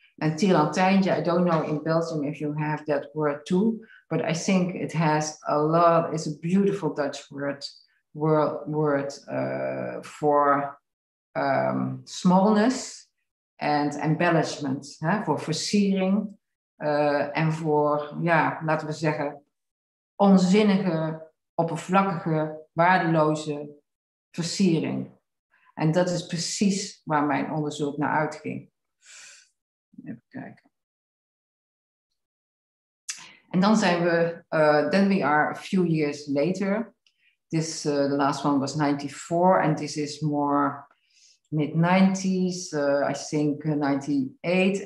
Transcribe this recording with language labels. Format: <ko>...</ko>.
<en>And Tierlantijntje, I don't know in Belgium if you have that word too, but I think it has a lot, it's a beautiful Dutch word for smallness and embellishment, hè?</en> <nl>Voor versiering en voor, ja, laten we zeggen, onzinnige, oppervlakkige, waardeloze versiering. En dat is precies waar mijn onderzoek naar uitging. Even kijken. En dan zijn we,</nl> <en>then we are a few years later. This, the last one was 94, and this is more mid-90s, I think 98.</en>